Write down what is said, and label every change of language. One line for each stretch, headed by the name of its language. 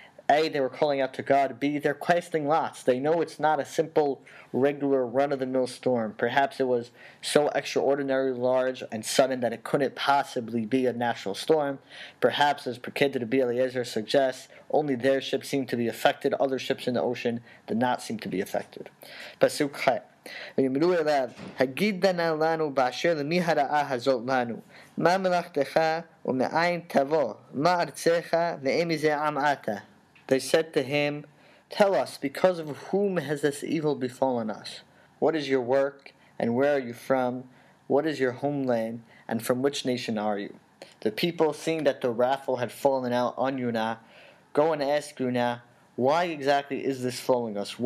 English: A, they were calling out to God. B, they're casting lots. They know it's not a simple, regular, run-of-the-mill storm. Perhaps it was so extraordinarily large and sudden that it couldn't possibly be a natural storm. Perhaps, as Pekid Rabbi Eliezer suggests, only their ship seemed to be affected. Other ships in the ocean did not seem to be affected. Pasuk Chet.
Hebrew: ויאמרו אליו, הגיד דנה לנו באשר למי הרעה הזאת לנו, מה מלאכתך ומאין תבוא, מה ארצך ואין מזה עם אתה.
English: They said to him, tell us, because of whom has this evil befallen us? What is your work, and where are you from? What is your homeland, and from which nation are you? The people, seeing that the raffle had fallen out on Yonah, go and ask Yonah, why exactly is this following us?